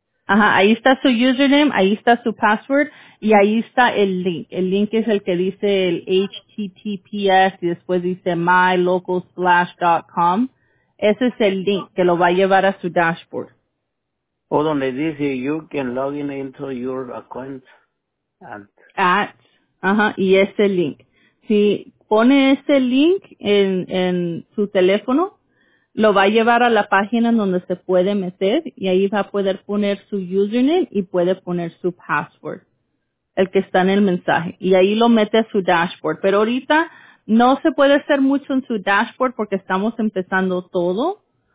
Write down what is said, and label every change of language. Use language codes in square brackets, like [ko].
[es] Ajá, ahí está su username, ahí está su password y ahí está el link. El link es el que dice el HTTPS y después dice mylocal/.com. Ese es el link que lo va a llevar a su dashboard. O donde dice [en] you can log in into your account. [es] Ajá, y ese link. Si pone ese link en su teléfono, lo va a llevar a la página donde se puede meter y ahí va a poder poner su username y puede poner su password, el que está en el mensaje. Y ahí lo mete a su dashboard. Pero ahorita no se puede hacer mucho en su dashboard porque estamos empezando todo.